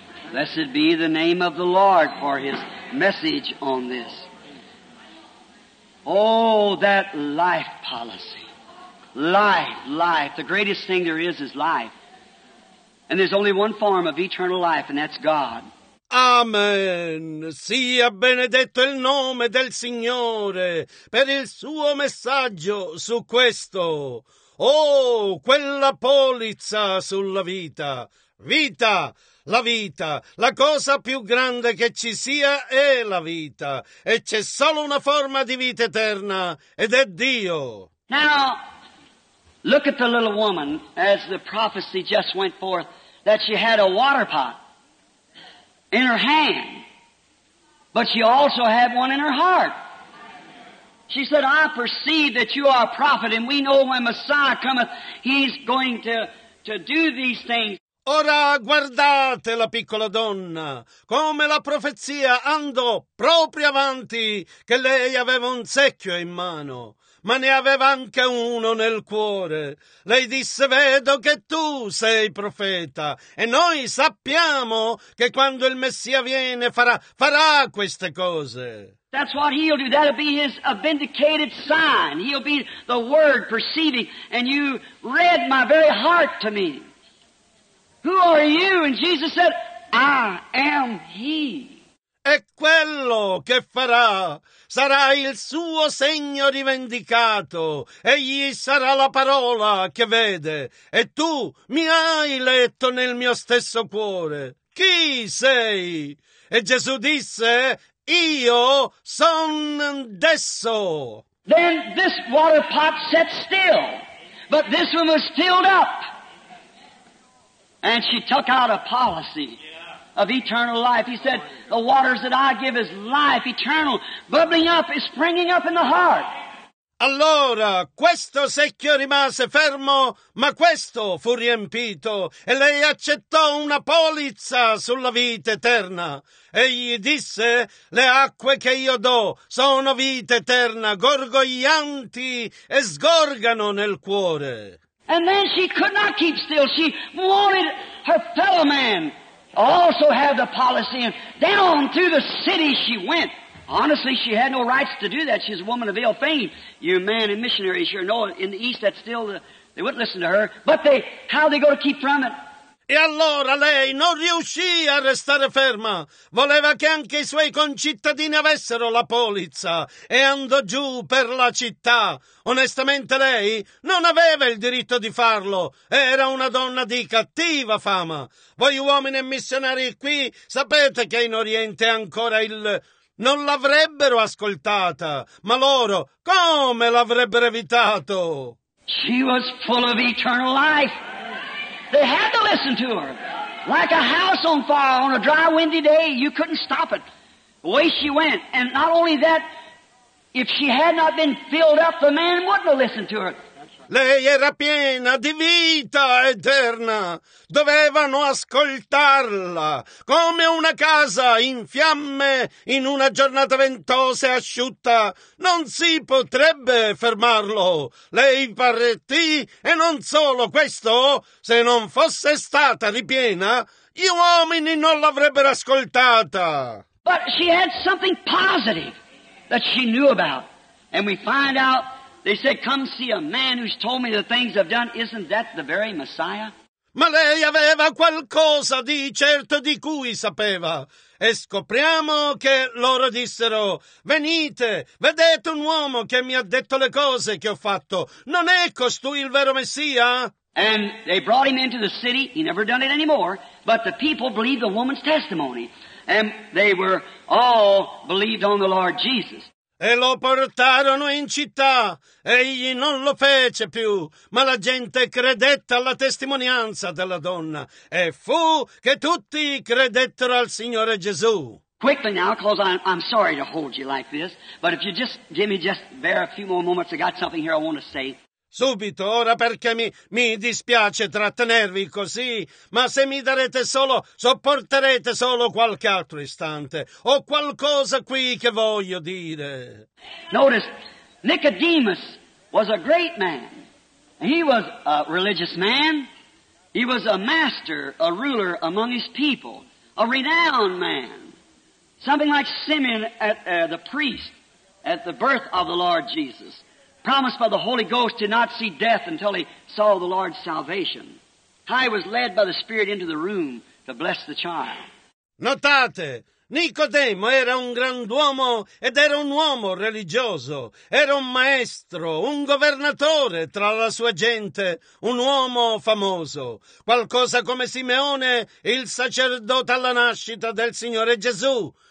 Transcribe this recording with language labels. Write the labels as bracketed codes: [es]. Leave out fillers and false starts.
[en] Blessed be the name of the Lord for his message on this. Oh, that life policy. Life, life. The greatest thing there is life. And there's only one form of eternal life, and that's God. Amen. [it] Sia benedetto il nome del Signore per il suo messaggio su questo. Oh, quella polizza sulla vita. Vita. La vita, la cosa più grande che ci sia è la vita, e c'è solo una forma di vita eterna, ed è Dio. [en] Now, look at the little woman, as the prophecy just went forth, that she had a water pot in her hand, but she also had one in her heart. She said, I perceive that you are a prophet, and we know when Messiah cometh, he's going to do these things. [it] Ora guardate la piccola donna, come la profezia andò proprio avanti, che lei aveva un secchio in mano, ma ne aveva anche uno nel cuore. Lei disse, vedo che tu sei profeta, e noi sappiamo che quando il Messia viene farà queste cose. [en] That's what he'll do. That'll be his vindicated sign. He'll be the Word perceiving, and you read my very heart to me. Who are you? And Jesus said, I am he. [it] E quello che farà sarà il suo segno rivendicato. Egli sarà la parola che vede. E tu mi hai letto nel mio stesso cuore. Chi sei? E Gesù disse, io son desso. [en] Then this water pot sat still, but this one was filled up. And she took out a policy, of eternal life. He said, the waters that I give is life eternal, bubbling up, is springing up in the heart. [it] Allora, questo secchio rimase fermo, ma questo fu riempito, e lei accettò una polizza sulla vita eterna. Egli disse, le acque che io do sono vita eterna, gorgoglianti e sgorgano nel cuore. [en] And then she could not keep still. She wanted her fellow man also have the policy. And down through the city she went. Honestly, she had no rights to do that. She's a woman of ill fame. You man and missionary sure know in the East that still they wouldn't listen to her. But they, how are they going to keep from it? [it] E allora lei non riuscì a restare ferma. Voleva che anche i suoi concittadini avessero la polizza e andò giù per la città. Onestamente lei non aveva il diritto di farlo. Era una donna di cattiva fama. Voi uomini e missionari qui sapete che in Oriente ancora il... Non l'avrebbero ascoltata, ma loro come l'avrebbero evitato? [en] She was full of eternal life. They had to listen to her. Like a house on fire on a dry, windy day, you couldn't stop it. Away she went. And not only that, if she had not been filled up, the man wouldn't have listened to her. [it] Lei era piena di vita eterna. Dovevano ascoltarla come una casa in fiamme in una giornata ventosa e asciutta. Non si potrebbe fermarlo. Lei partì e non solo questo, se non fosse stata ripiena, gli uomini non l'avrebbero ascoltata. [en] But she had something positive that she knew about, and we find out. They said, come see a man who's told me the things I've done. Isn't that the very Messiah? [it] Ma lei aveva qualcosa di certo di cui sapeva. E scopriamo che loro dissero, venite, vedete un uomo che mi ha detto le cose che ho fatto. Non è costui il vero Messia? [en] And they brought him into the city. He never done it anymore. But the people believed the woman's testimony. And they were all believed on the Lord Jesus. [it] E lo portarono in città. Egli non lo fece più, ma la gente credette alla testimonianza della donna. E fu che tutti credettero al Signore Gesù. [en] Quickly now, because I'm sorry to hold you like this, but if you just give me just bear a few more moments, I got something here I want to say. [it] Subito, ora perché mi dispiace trattenervi così, ma se mi darete solo, sopporterete solo qualche altro istante. Ho qualcosa qui che voglio dire. [en] Notice, Nicodemus was a great man. He was a religious man. He was a master, a ruler among his people. A renowned man. Something like Simeon at the priest at the birth of the Lord Jesus. Promised by the Holy Ghost to not see death until he saw the Lord's salvation. How he was led by the Spirit into the room to bless the child. [it] Notate, Nicodemo era un grand'uomo ed era un uomo religioso. Era un maestro, un governatore tra la sua gente, un uomo famoso. Qualcosa come Simeone, il sacerdote alla nascita del Signore Gesù.